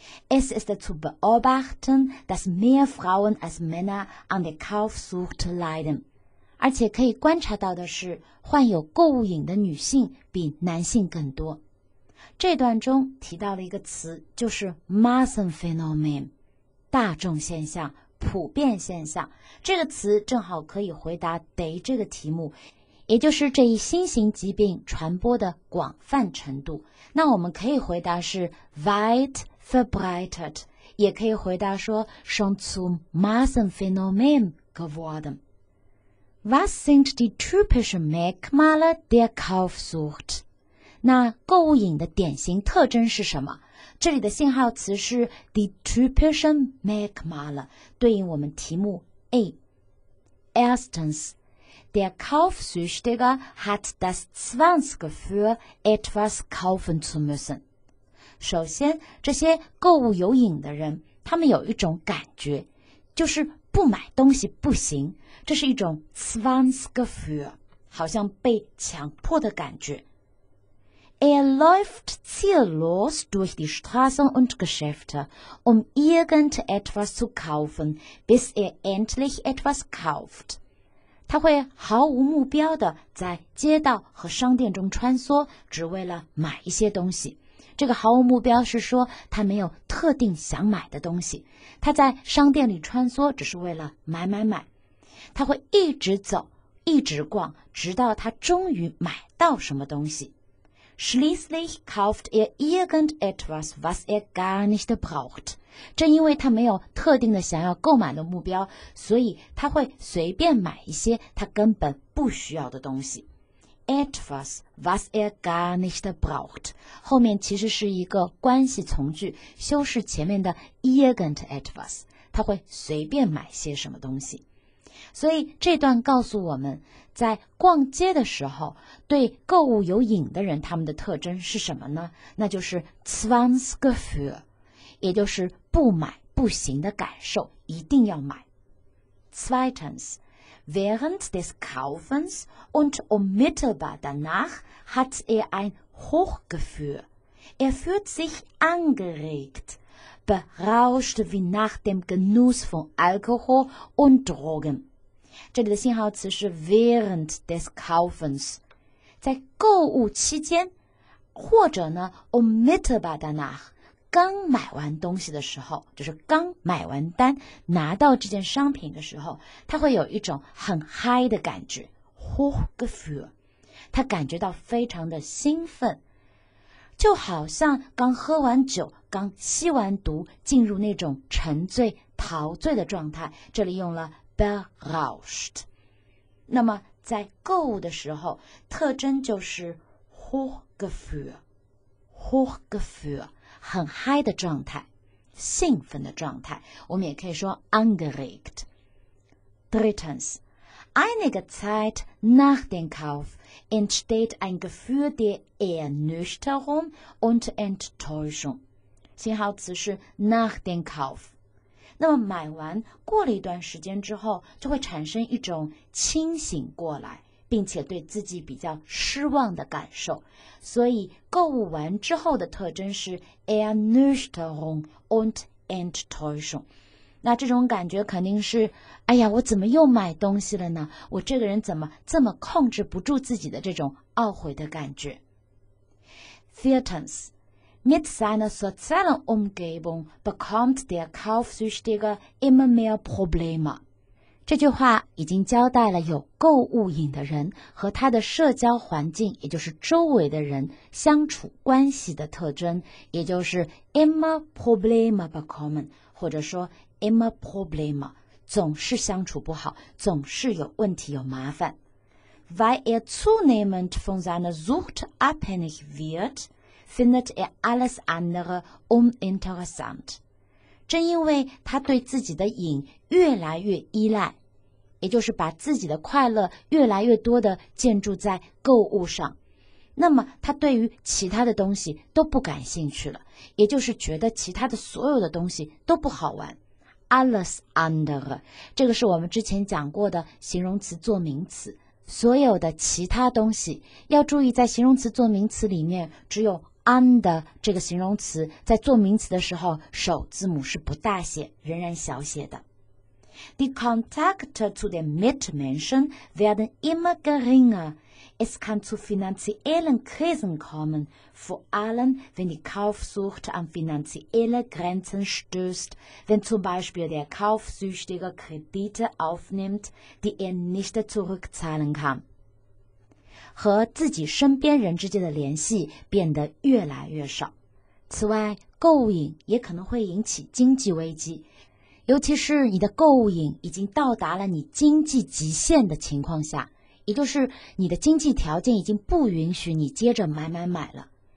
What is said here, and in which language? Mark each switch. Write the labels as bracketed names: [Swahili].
[German] Es ist zu beobachten, dass mehr Frauen als Männer an der Kaufsucht leiden， [Chinese] 而且可以观察到的是患有购物瘾的女性比男性更多。这段中提到了一个词，就是 Massenphänomen， 大众现象，普遍现象，这个词正好可以回答 day 这个题目，也就是这一新型疾病传播的广泛程度。那我们可以回答是 [German] weit verbreitet， [Chinese] 也可以回答说 [German] schon zum Massenphänomen geworden。 Was sind die typischen Merkmale der Kaufsucht？ [Chinese] 那购物瘾的典型特征是什么？这里的信号词是 [German] die typischen Merkmale， [Chinese] 对应我们题目 A。 [German] Erstens, der Kaufsüchtige hat das Zwangsgefühl, etwas kaufen zu müssen。 [Chinese] 首先，这些购物有瘾的人，他们有一种感觉，就是不买东西不行，这是一种 Zwangsgefühl， 好像被强迫的感觉。 [German] Er läuft ziellos durch die Straßen und Geschäfte, um irgendetwas zu kaufen, bis er endlich etwas kauft. [Chinese] 他会毫无目标地在街道和商店中穿梭，只为了买一些东西。这个毫无目标是说他没有特定想买的东西。他在商店里穿梭只是为了买买买。他会一直走，一直逛，直到他终于买到什么东西。 [German] Schließlich kauft er irgendetwas, was er gar nicht braucht. [Chinese] 正因为他没有特定的想要购买的目标，所以他会随便买一些他根本不需要的东西。 [German] Etwas, was er gar nicht braucht. [Chinese] 后面其实是一个关系从句，修饰前面的 irgendetwas. 他会随便买些什么东西。所以这段告诉我们，在逛街的时候，对购物有瘾的人，他们的特征是什么呢？那就是 Zwangsgefühl， 也就是不买不行的感受，一定要买。 [German] Zweitens, während des Kaufens und unmittelbar danach hat er ein Hochgefühl. Er fühlt sich angeregt. Berauscht wie nach dem Genuss von Alkohol und Drogen. [Chinese] 这里的信号词是 [German] während des Kaufens， [Chinese] 在购物期间，或者呢 [German] unmittelbar danach， [Chinese] 刚买完东西的时候，就是刚买完单拿到这件商品的时候，他会有一种很 high 的感觉， Hochgefühl， 他感觉到非常的兴奋，就好像刚喝完酒，刚吸完毒，进入那种沉醉陶醉的状态，这里用了 berauscht。那么在购物的时候，特征就是 Hochgefühl， Hochgefühl， 很嗨的状态，兴奋的状态，我们也可以说 angeregt。 [German] Drittens, einige Zeit nach dem Kaufentsteht ein Gefühl der Ernüchterung und Enttäuschung. [Chinese] 信号词是 [German] nach dem Kauf. [Chinese] 那么买完过了一段时间之后，就会产生一种清醒过来，并且对自己比较失望的感受。所以购物完之后的特征是 [German] Ernüchterung und Enttäuschung. [Chinese] 那这种感觉肯定是，哎呀，我怎么又买东西了呢？我这个人怎么这么控制不住自己的这种懊悔的感觉。 [German] Viertens, mit seiner sozialen Umgebung bekommt der Kaufsüchtige immer mehr Probleme. [Chinese] 这句话已经交代了有购物瘾的人和他的社交环境，也就是周围的人相处关系的特征，也就是 [German] immer problema bekommen， [Chinese] 或者说 [German] immer problema， [Chinese] 总是相处不好，总是有问题有麻烦。 [German] Weil zunehmend von seiner Sucht abhängig wird, findet alles andere uninteressant. [Chinese] 正因为他对自己的瘾越来越依赖，也就是把自己的快乐越来越多地建筑在购物上，那么他对于其他的东西都不感兴趣了，也就是觉得其他的所有的东西都不好玩。 [German] Alles andere， [Chinese] 这个是我们之前讲过的形容词做名词，所有的其他东西。要注意，在形容词做名词里面，只有under 这个形容词在做名词的时候首字母是不大写，仍然小写的。 [German] Die Kontakte zu den Mitmenschen werden immer geringer. Es kann zu finanziellen Krisen kommen, vor allem wenn die Kaufsucht an finanzielle Grenzen stößt, wenn zum Beispiel der Kaufsüchtige Kredite aufnimmt, die nicht zurückzahlen kann. [Chinese] 和自己身边人之间的联系变得越来越少。此外，购物瘾也可能会引起经济危机，尤其是你的购物瘾已经到达了你经济极限的情况下，也就是你的经济条件已经不允许你接着买买买了。